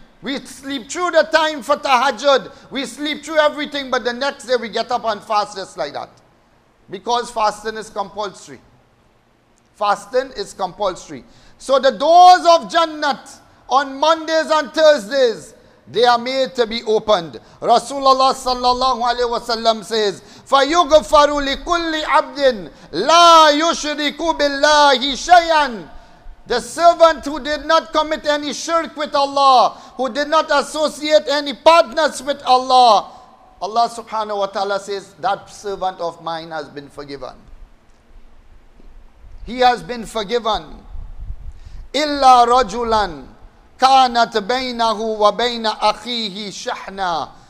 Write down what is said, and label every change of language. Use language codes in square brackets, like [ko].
[en] We sleep through the time for Tahajjud. We sleep through everything, but the next day we get up and fast just like that. Because fasting is compulsory. Fasting is compulsory. So the doors of Jannat on Mondays and Thursdays, they are made to be opened. [ar] Rasulullah sallallahu alayhi wa sallam says, فَيُغْفَرُ لِكُلِّ عَبْدٍ لَا يُشْرِكُ بِاللَّهِ شَيْئًا. [en] The servant who did not commit any shirk with Allah, who did not associate any partners with Allah, Allah subhanahu wa ta'ala says, that servant of mine has been forgiven. He has been forgiven. [ar] Illa rajulan kanat bainahu wa baina akhihi shahna.